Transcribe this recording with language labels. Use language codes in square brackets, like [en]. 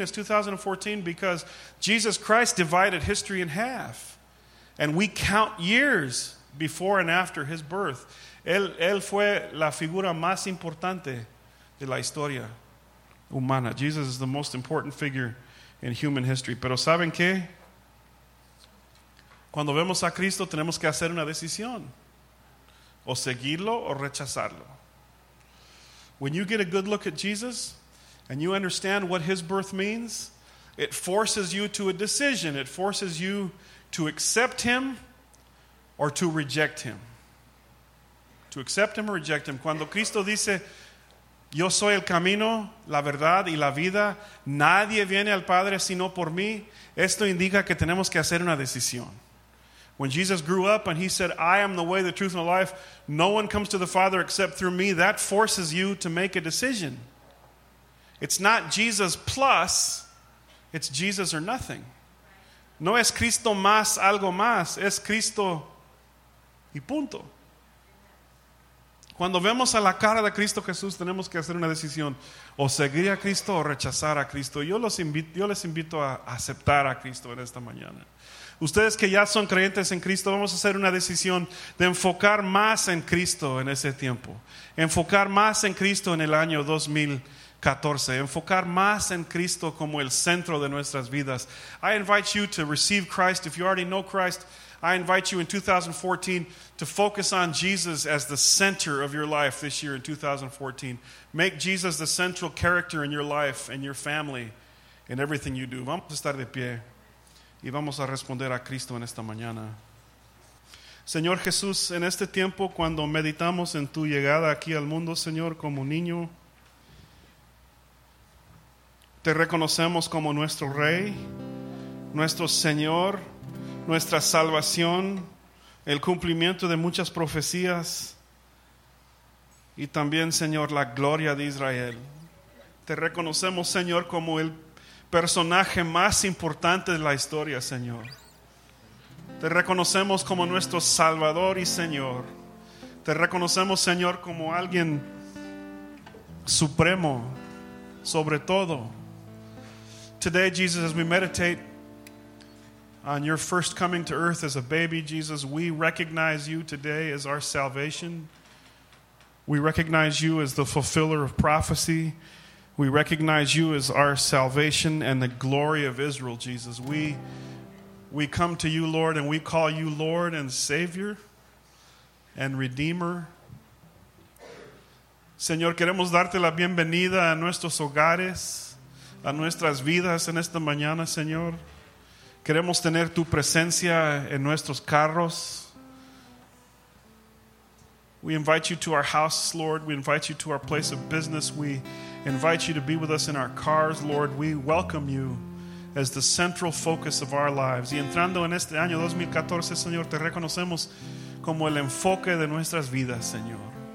[en] It's 2014 because Jesus Christ divided history in half. And we count years before and after his birth. [es] Él fue la figura más importante de la historia humana. [en] Jesus is the most important figure in human history. [es] Pero ¿saben qué? Cuando vemos a Cristo, tenemos que hacer una decisión. O seguirlo o rechazarlo. [en] When you get a good look at Jesus and you understand what his birth means, it forces you to a decision. It forces you to accept him or to reject him. To accept him or reject him. [es] Cuando Cristo dice, yo soy el camino, la verdad y la vida, nadie viene al Padre sino por mí, esto indica que tenemos que hacer una decisión. [en] When Jesus grew up and he said, I am the way, the truth, and the life, no one comes to the Father except through me, that forces you to make a decision. It's not Jesus plus, it's Jesus or nothing. [es] No es Cristo más algo más, es Cristo y punto. Cuando vemos a la cara de Cristo Jesús, tenemos que hacer una decisión, o seguir a Cristo o rechazar a Cristo. Yo les invito a aceptar a Cristo en esta mañana. Ustedes que ya son creyentes en Cristo, vamos a hacer una decisión de enfocar más en Cristo en ese tiempo. Enfocar más en Cristo en el año 2014. Enfocar más en Cristo como el centro de nuestras vidas. [en] I invite you to receive Christ. If you already know Christ, I invite you in 2014 to focus on Jesus as the center of your life this year in 2014. Make Jesus the central character in your life and your family and everything you do. [es] Vamos a estar de pie. Y vamos a responder a Cristo en esta mañana. Señor Jesús, en este tiempo cuando meditamos en tu llegada aquí al mundo, Señor, como niño, te reconocemos como nuestro Rey, nuestro Señor, nuestra salvación, el cumplimiento de muchas profecías y también, Señor, la gloria de Israel. Te reconocemos, Señor, como el personaje más importante de la historia, Señor. Te reconocemos como nuestro Salvador y Señor. Te reconocemos, Señor, como alguien supremo sobre todo. [en] Today, Jesus, as we meditate on your first coming to earth as a baby, Jesus, we recognize you today as our salvation. We recognize you as the fulfiller of prophecy. We recognize you as our salvation and the glory of Israel, Jesus. We come to you, Lord, and we call you Lord and Savior and Redeemer. [es] Señor, queremos darte la bienvenida a nuestros hogares, a nuestras vidas en esta mañana, Señor. Queremos tener tu presencia en nuestros carros. [en] We invite you to our house, Lord. We invite you to our place of business. We invite you to be with us in our cars, Lord. We welcome you as the central focus of our lives. [es] Y entrando en este año 2014, Señor, te reconocemos como el enfoque de nuestras vidas, Señor.